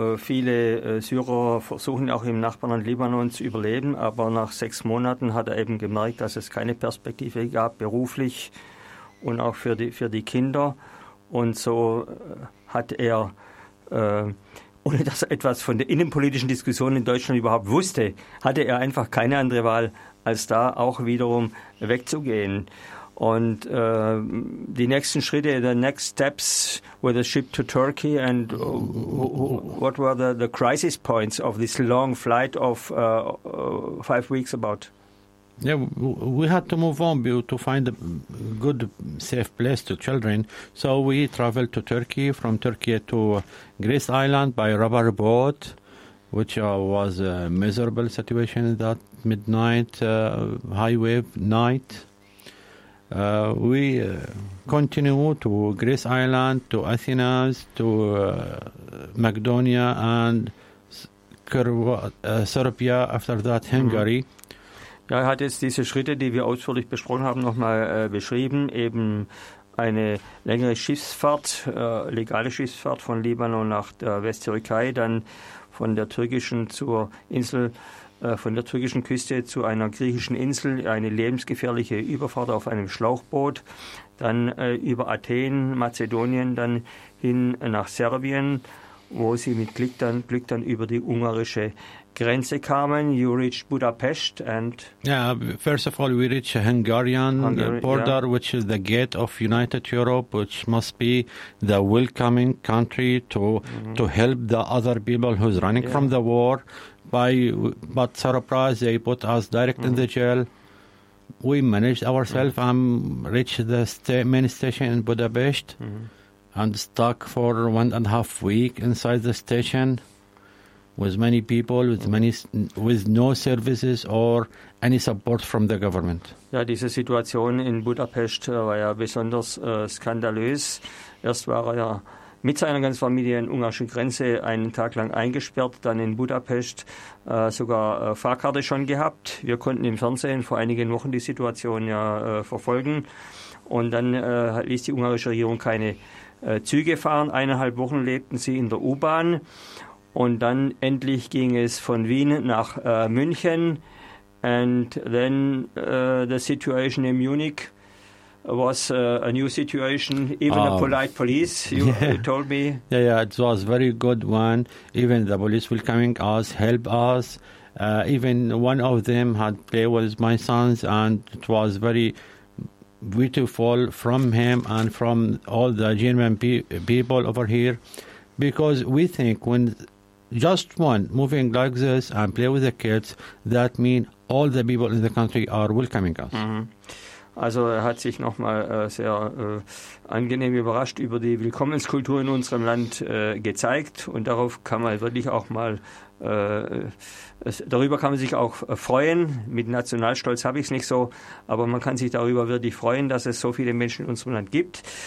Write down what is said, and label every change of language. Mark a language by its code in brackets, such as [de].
[de] Viele Syrer versuchen auch im Nachbarland Libanon zu überleben, aber nach 6 Monaten hat er eben gemerkt, dass es keine Perspektive gab, beruflich und auch für die Kinder. Und so hat er, ohne dass er etwas von der innenpolitischen Diskussion in Deutschland überhaupt wusste, hatte er einfach keine andere Wahl, als da auch wiederum wegzugehen. [en] And the next [de] schritte, [en] the next steps were the ship to Turkey. And what were the crisis points of this long flight of 5 weeks about? Yeah, we had to move on to find a good, safe place to children. So we traveled to Turkey, from Turkey to Greece Island by rubber boat, which was a miserable situation that midnight, high wave night. We continue to Greece Island, to Athens, to Macedonia, and Serbia, after that Hungary. [de] Ja, er hat jetzt diese Schritte, die wir ausführlich besprochen haben, nochmal beschrieben. Eben eine längere Schiffsfahrt, legale Schiffsfahrt von Libanon nach der Westtürkei, dann von der türkischen zur Insel. Von der türkischen Küste zu einer griechischen Insel, eine lebensgefährliche Überfahrt auf einem Schlauchboot, dann über Athen, Mazedonien, dann hin nach Serbien, wo sie mit Glück dann über die ungarische Grenze kamen. [en] You reached Budapest and... Yeah, first of all we reached Hungarian border, yeah, which is the gate of United Europe, which must be the welcoming country to help the other people who's running, yeah, from the war. But surprise, they put us direct in the jail. We managed ourselves and reached the main station in Budapest and stuck for 1.5 week inside the station with many people, with no services or any support from the government. [de] Ja, diese Situation in Budapest war ja besonders skandalös. Erst war er ja mit seiner ganzen Familie in der ungarischen Grenze einen Tag lang eingesperrt, dann in Budapest sogar Fahrkarte schon gehabt. Wir konnten im Fernsehen vor einigen Wochen die Situation ja verfolgen. Und dann ließ die ungarische Regierung keine Züge fahren. 1,5 Wochen lebten sie in der U-Bahn. Und dann endlich ging es von Wien nach München. [en] And then the situation in Munich was a new situation, even a polite police, you told me. Yeah, yeah, it was very good one. Even the police will coming us, help us. Even one of them had play with my sons, and it was very beautiful from him and from all the German people over here. Because we think when just one moving like this and play with the kids, that mean all the people in the country are welcoming us. Mm-hmm. [de] Also er hat sich nochmal sehr angenehm überrascht über die Willkommenskultur in unserem Land gezeigt. Und darauf kann man wirklich auch mal, darüber kann man sich auch freuen. Mit Nationalstolz habe ich es nicht so, aber man kann sich darüber wirklich freuen, dass es so viele Menschen in unserem Land gibt.